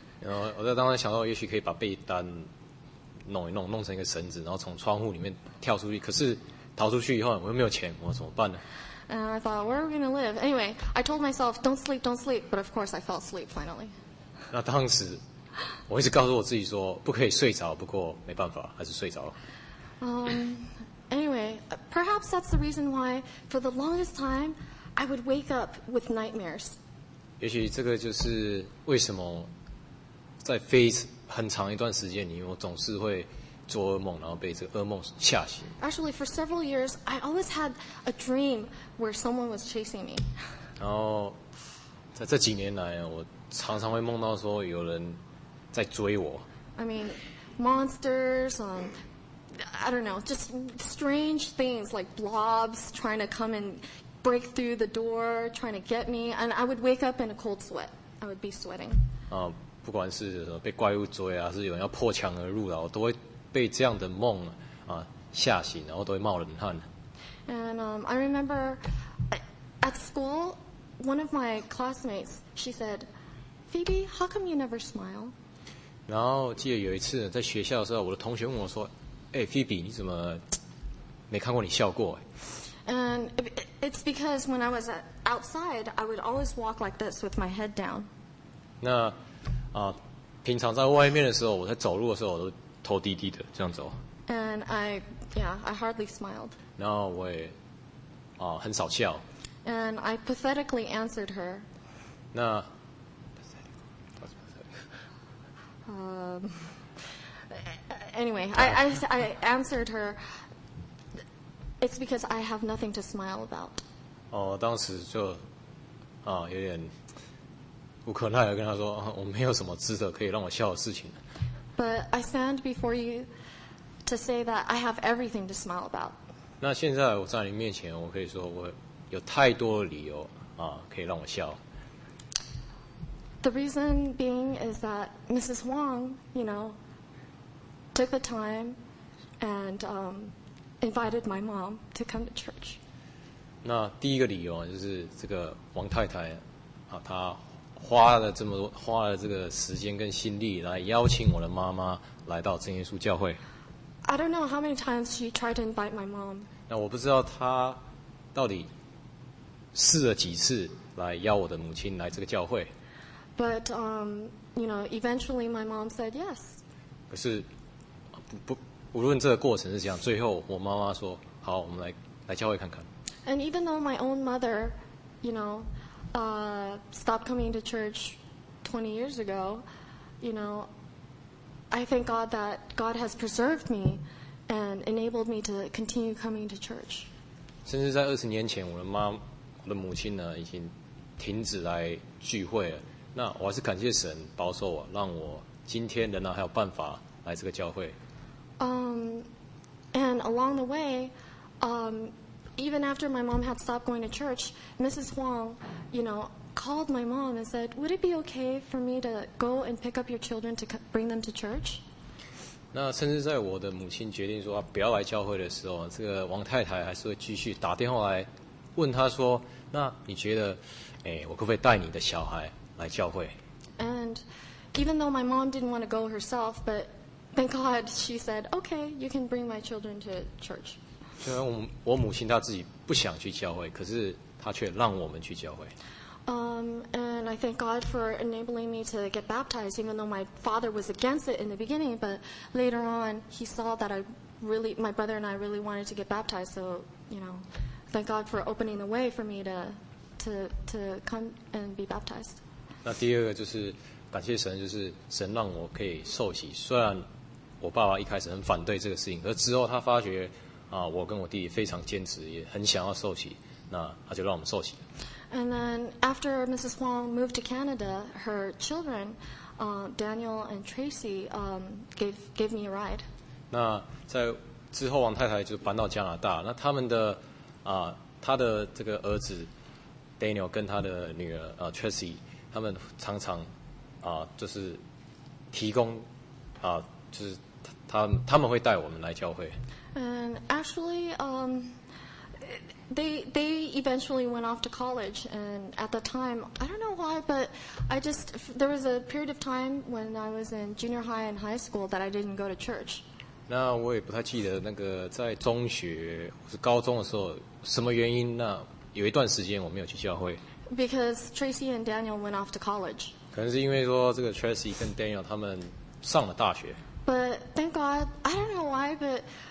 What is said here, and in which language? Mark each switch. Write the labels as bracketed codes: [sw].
[en] You know, [zh] 我在当时想到也许可以把被单弄一弄，弄成一个绳子，然后从窗户里面跳出去。可是逃出去以后，我又没有钱，我怎么办呢？ [en] And I thought, where are we going to live? Anyway, I told myself, don't sleep, don't sleep. But of course, I fell asleep finally. [zh] 那当时我一直告诉我自己说不可以睡着，不过没办法，还是睡着了。 [en] Anyway, perhaps that's the reason why for the longest time I would wake up with nightmares. [zh] 也许这个就是为什么在非很长一段时间里我总是会做噩梦，然后被这个噩梦吓醒。 [en] Actually, for several years, I always had a dream where someone was chasing me. [zh] 然后在这几年来我常常会梦到说有人在追我。 [en] I mean, monsters, I don't know, just strange things like blobs trying to come and break through the door, trying to get me, and I would wake up in a cold sweat. I would be sweating. [zh] 不管是被怪物追啊，是有人要破墙而入啊，我都会被这样的梦吓醒，然后都会冒冷汗。 [en] And I remember at school, one of my classmates, she said,Phoebe, how come you never smile? [zh] 然后记得有一次在学校的时候，我的同学问我说：“哎 ，Phoebe， 你怎么没看过你笑过 [en] ？”And it's because when I was outside, I would always walk like this with my head down. [zh] 那平常在外面的时候，我在走路的时候，我都头低低的这样走。 [en] And I hardly smiled. [zh] 然后我也很少笑。 [en] And I pathetically answered her. 那 Anyway, I answered her, it's because I have nothing to smile about. [zh] 当时就有点无可奈何跟她说我没有什么值得可以让我笑的事情。 [en] But I stand before you to say that I have everything to smile about. [zh] 那现在我在你面前我可以说我有太多理由可以让我笑。 [en] The reason being is that Mrs. Wong, you know, took the time and invited my mom to come to church. [zh] 那第一个理由就是这个王太太她花了这么多花了这个时间跟心力来邀请我的妈妈来到真耶稣教会。 [en] I don't know how many times she tried to invite my mom. [zh] 那我不知道她到底试了几次来邀我的母亲来这个教会。 [en] But, you know, eventually my mom said yes. [zh] 可是无论这个过程是怎样，最后我妈妈说，好，我们来教会看看。 [en] And even though my own mother, you know, stopped coming to church 20 years ago, you know, I thank God that God has preserved me and enabled me to continue coming to church. [zh] 甚至在20年前，我的母亲呢，已经停止来聚会了。那我还是感谢神保守我，让我今天仍然还有办法来这个教会。 [en] And along the way, even after my mom had stopped going to church, Mrs. Huang, you know, called my mom and said, "Would it be okay for me to go and pick up your children to bring them to church?" [zh] 那甚至在我的母亲决定说不要来教会的时候，这个王太太还是会继续打电话来问她说，那你觉得，哎，我可不可以带你的小孩来教会？ [en] And even though my mom didn't want to go herself, but thank God she said, "Okay, you can bring my children to church." [zh] 虽然我母亲她自己不想去教会，可是她却让我们去教会。 [en] And I thank God for enabling me to get baptized, even though my father was against it in the beginning. But later on, he saw that my brother and I really wanted to get baptized. So, you know, thank God for opening the way for me to come and be baptized. [zh] 那第二个就是感谢神，就是神让我可以受洗。虽然我爸爸一开始很反对这个事情，而之后他发觉啊，我跟我弟弟非常坚持，也很想要受洗，那他就让我们受洗。 [en] And then after Mrs. Huang moved to Canada, her children, Daniel and Tracy, gave me a ride. [zh] 那在之后，王太太就搬到加拿大。那他们的啊，他的这个儿子 Daniel 跟他的女儿Tracy， 他们常常啊，就是提供啊，就是他们会带我们来教会。 [en] And actually, They eventually went off to college, and at the time, I don't know why, but I just, there was a period of time when I was in junior high and high school that I didn't go to church. [zh] 那我也不太记得那个在中学或是高中的时候什么原因，那有一段时间我没有去教会。 [en] Because Tracy and Daniel went off to college. [zh] 可能是因为说这个 Tracy 跟 Daniel 他们上了大学。 [en] But thank God, I don't know why, but...